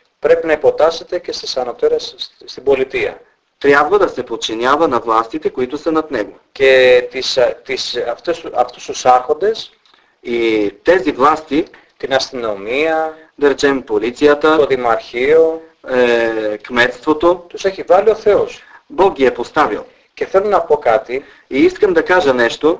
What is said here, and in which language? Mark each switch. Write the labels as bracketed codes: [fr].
[el] πρέπει να υποτάσσεται και στις ανωτέρες στην πολιτεία. [bg] Трябва да се подчинява на властите, които са над него. [el] Και αυτούς τους άρχοντες [bg] и тези власти [el] την αστυνομία [bg] да речем полицията, [el] το δημαρχείο, [bg] кметството, [el] τους έχει βάλει ο Θεός. [bg] Бог ги е поставил. [el] Και θέλω να πω κάτι, [bg] и искам да кажа нещо,